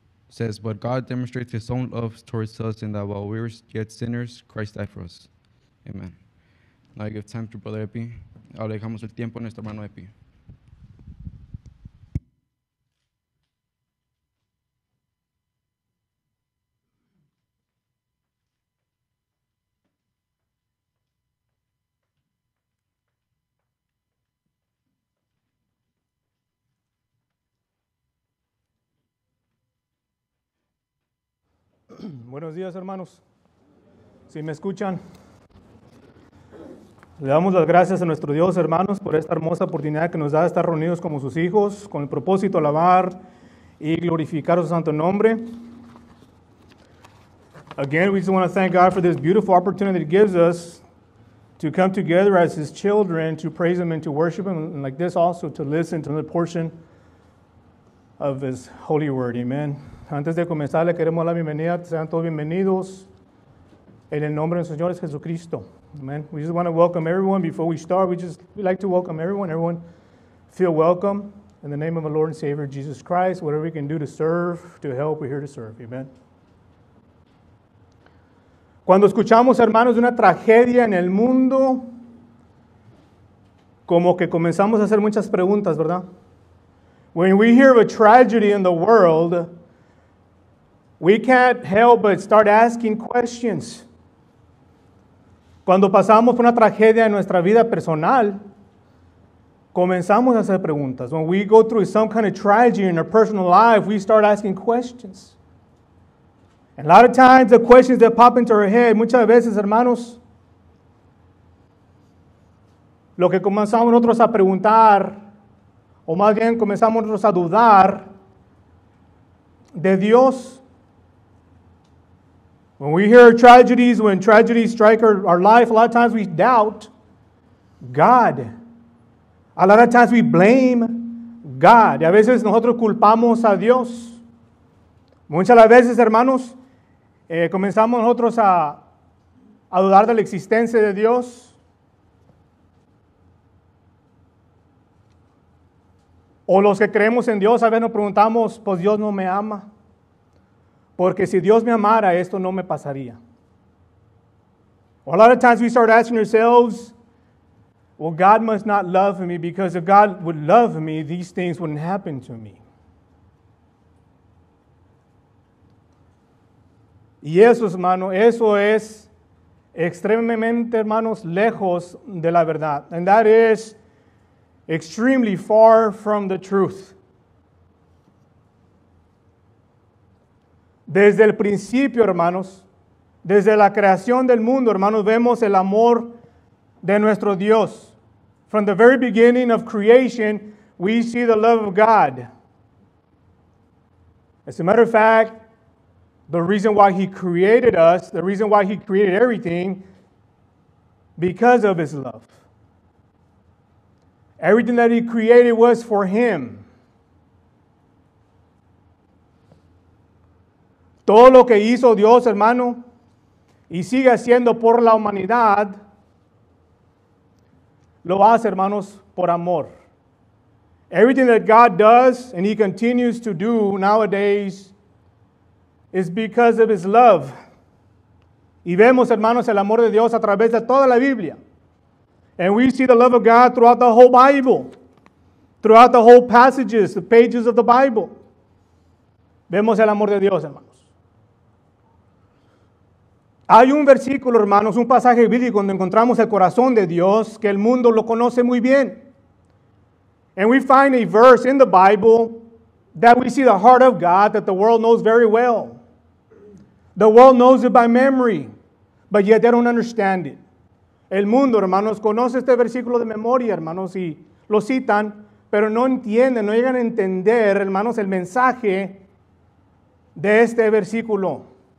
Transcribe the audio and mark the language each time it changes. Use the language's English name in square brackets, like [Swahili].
[English] Says, but God demonstrates his own love towards us in that while we were yet sinners, Christ died for us. Amen. Now I give time to Brother Epi. [Spanish] Ahora dejamos el tiempo a nuestro hermano Epi. Buenos días, hermanos. Si me escuchan, le damos las gracias a nuestro Dios, hermanos, por esta hermosa oportunidad que nos da de estar reunidos como sus hijos, con el propósito de alabar y glorificar su santo nombre. [English] Again, we just want to thank God for this beautiful opportunity that he gives us to come together as his children, to praise him and to worship him, and like this also, to listen to another portion of his holy word. [Spanish] Amen. Antes de comenzar, le queremos la bienvenida. Sean todos bienvenidos en el nombre del Señor Jesucristo. [English] Amen. We just want to welcome everyone before we start. We like to welcome everyone. Everyone feel welcome in the name of the Lord and Savior Jesus Christ. Whatever we can do to serve, to help, we're here to serve. Amen. [Spanish] Cuando escuchamos, hermanos, de una tragedia en el mundo, como que comenzamos a hacer muchas preguntas, ¿verdad? [English] When we hear of a tragedy in the world, we can't help but start asking questions. [Spanish] Cuando pasamos por una tragedia en nuestra vida personal, comenzamos a hacer preguntas. [English] When we go through some kind of tragedy in our personal life, we start asking questions. And a lot of times, the questions that pop into our head, [Spanish] muchas veces, hermanos, lo que comenzamos nosotros a preguntar, o más bien comenzamos nosotros a dudar de Dios. [English] When we hear tragedies, when tragedies strike our life, a lot of times we doubt God. A lot of times we blame God. [Spanish] Y a veces nosotros culpamos a Dios. Muchas las veces, hermanos, comenzamos nosotros a dudar de la existencia de Dios. O los que creemos en Dios, a veces nos preguntamos, pues Dios no me ama. Porque si Dios me amara, esto no me pasaría. [English] A lot of times we start asking ourselves, well, God must not love me, because if God would love me, these things wouldn't happen to me. [Spanish] Y eso, hermano, eso es extremadamente, hermanos, lejos de la verdad. [English] And that is extremely far from the truth. [Spanish] Desde el principio, hermanos, desde la creación del mundo, hermanos, vemos el amor de nuestro Dios. [English] From the very beginning of creation, we see the love of God. As a matter of fact, the reason why he created us, the reason why he created everything, because of his love. Everything that he created was for him. [Spanish] Todo lo que hizo Dios, hermano, y sigue haciendo por la humanidad, lo hace, hermanos, por amor. [English] Everything that God does and he continues to do nowadays is because of his love. [Spanish] Y vemos, hermanos, el amor de Dios a través de toda la Biblia. [English] And we see the love of God throughout the whole Bible, throughout the whole passages, the pages of the Bible. [Spanish] Vemos el amor de Dios, hermano. Hay un versículo, hermanos, un pasaje bíblico donde encontramos el corazón de Dios, que el mundo lo conoce muy bien. [English] And we find a verse in the Bible that we see the heart of God that the world knows very well. The world knows it by memory, but yet they don't understand it. [Spanish] El mundo, hermanos, conoce este versículo de memoria, hermanos, y lo citan, pero no entienden, no llegan a entender, hermanos, el mensaje de este versículo.